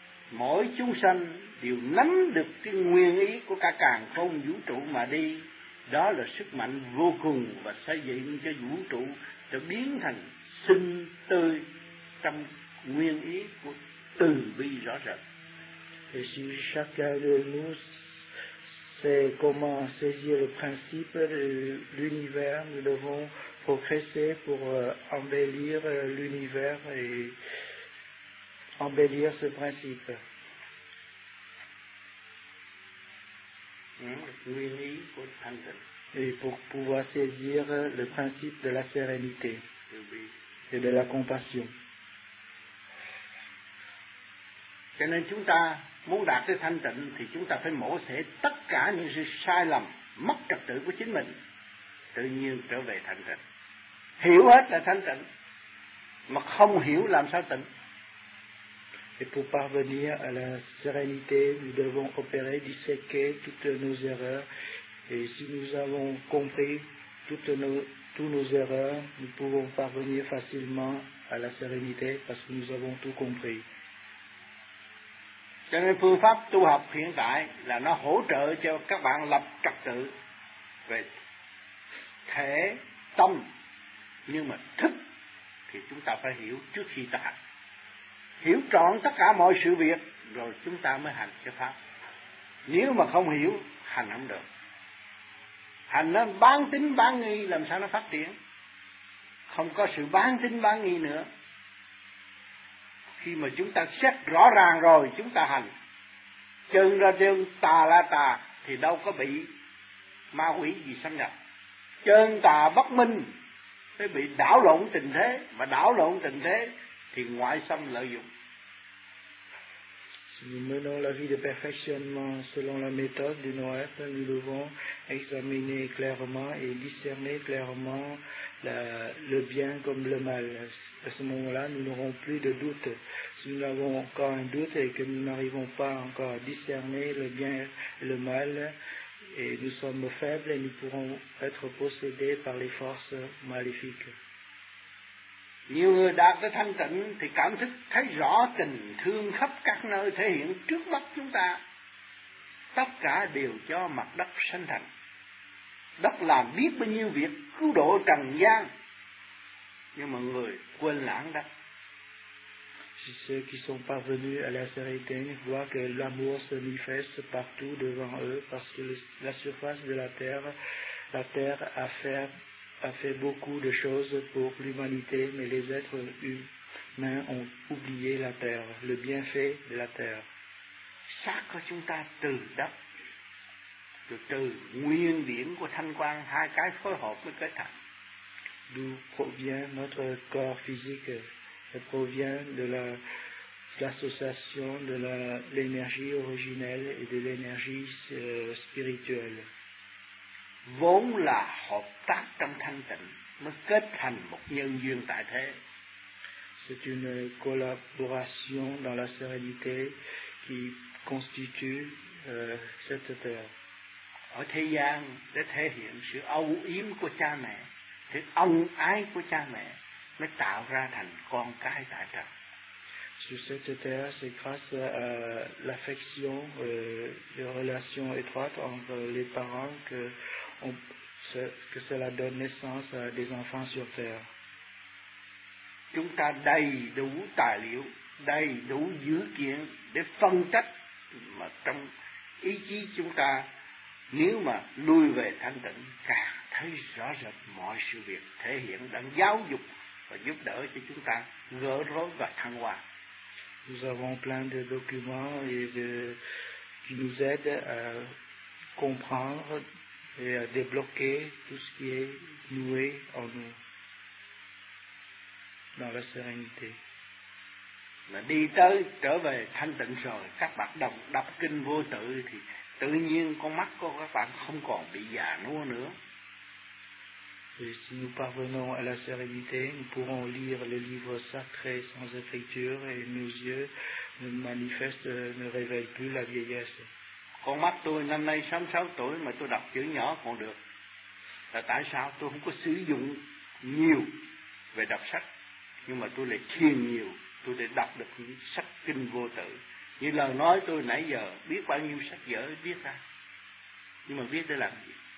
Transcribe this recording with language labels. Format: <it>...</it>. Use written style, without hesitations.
<vi>Mỗi chúng sanh đều nắm được cái nguyên ý của cả càn khôn vũ trụ mà đi, đó là sức mạnh vô cùng và xây dựng cho vũ trụ trở biến thành sinh tươi trong nguyên ý của từ bi rõ rệt.</vi> <fr>Et si chacun de nous sait comment saisir le principe de l'univers, nous devons progresser pour embellir l'univers et embellir ce principe. Et pour pouvoir saisir le principe de la sérénité et de la compassion.</fr> <vi>Cho nên chúng ta muốn đạt tới thanh tịnh thì chúng ta phải mổ xẻ tất cả những sự sai lầm, mất trật tự của chính mình, tự nhiên trở về thanh tịnh. Hiểu hết là thanh tịnh, mà không hiểu làm sao tịnh.</vi> <fr>Et pour parvenir à la sérénité, nous devons opérer, disséquer toutes nos erreurs. Et si nous avons compris toutes nos erreurs, nous pouvons parvenir facilement à la sérénité parce que nous avons tout compris.</fr> <vi>Cho nên phương pháp tu học hiện tại là nó hỗ trợ cho các bạn lập trật tự về thể, tâm. Nhưng mà thức thì chúng ta phải hiểu trước khi ta hành. Hiểu trọn tất cả mọi sự việc rồi chúng ta mới hành cái pháp. Nếu mà không hiểu, hành không được. Hành nó bán tín bán nghi, làm sao nó phát triển? Không có sự bán tín bán nghi nữa. Khi mà chúng ta xét rõ ràng rồi, chúng ta hành. Chân ra chân, tà là tà, thì đâu có bị ma quỷ gì xâm nhập. Chân tà bất minh, mới bị đảo lộn tình thế, mà đảo lộn tình thế thì ngoại xâm lợi dụng.</vi> <fr>Si nous menons la vie de perfectionnement selon la méthode du Noël, nous devons examiner clairement et discerner clairement le bien comme le mal. À ce moment-là, nous n'aurons plus de doute. Si nous avons encore un doute et que nous n'arrivons pas encore à discerner le bien et le mal, et nous sommes faibles et nous pourrons être possédés par les forces maléfiques.</fr> <vi>Nhiều người đạt tới thanh tịnh thì cảm thức thấy rõ tình thương khắp các nơi thể hiện trước mắt chúng ta. Tất cả đều cho mặt đất sinh thành. Đất làm biết bao nhiêu việc cứu độ trần gian. Nhưng mà người quên lãng đất.</vi> <fr>Si ceux qui sont parvenus à la sérénité voient que l'amour se manifeste partout devant eux parce que la surface de la terre a fait beaucoup de choses pour l'humanité, mais les êtres humains ont oublié la terre, le bienfait de la terre. Chaque</fr> <vi>chúng ta từ đất, từ nguyên điểm của thanh quang, hai cái phối hợp mới kết thành.</vi> <fr>D'où provient notre corps physique? Elle provient de l'association de l'énergie originelle et de l'énergie spirituelle.</fr> <vi>Vốn là hợp tác trong thanh tịnh mới kết thành một nhân duyên tại thế.</vi> <fr>C'est une collaboration dans la sérénité qui constitue cette terre.</fr> <vi>Ở thế gian để thể hiện sự âu yếm của cha mẹ, thì ân ái của cha mẹ mới tạo ra thành con cái tại trần.</vi> <fr>Sur cette terre, c'est grâce à l'affection, les relations étroites entre les parents que cela donne naissance à des enfants sur terre.</fr> <vi>Chúng ta đầy đủ tài liệu đầy đủ dữ kiện để phân tách, mà trong ý chí chúng ta nếu mà lui về thanh tịnh càng thấy rõ rệt mọi sự việc thể hiện đang giáo dục và giúp đỡ cho chúng ta gỡ rối và thăng hoa.</vi> <fr>Nous avons plein de documents et de qui nous aident à comprendre et à débloquer tout ce qui est noué en nous dans la sérénité.</fr> <vi>Mà đi tới trở về thanh tịnh rồi, các bạn đọc đọc kinh vô tự thì tự nhiên con mắt của các bạn không còn bị già nua nữa.</vi> <fr>Et si nous parvenons à la sérénité, nous pourrons lire les livres sacrés sans écriture et nos yeux ne manifestent, ne révèlent plus la vieillesse.</fr> <vi>Con mắt tôi năm nay 66 tuổi mà tôi đọc chữ nhỏ còn được. Là tại sao tôi không có sử dụng nhiều về đọc sách, nhưng mà tôi lại thiền nhiều, tôi lại đọc được những sách kinh vô tự. Như lời nói tôi nãy giờ, biết bao nhiêu sách vở viết ra, nhưng mà viết để làm gì?</vi>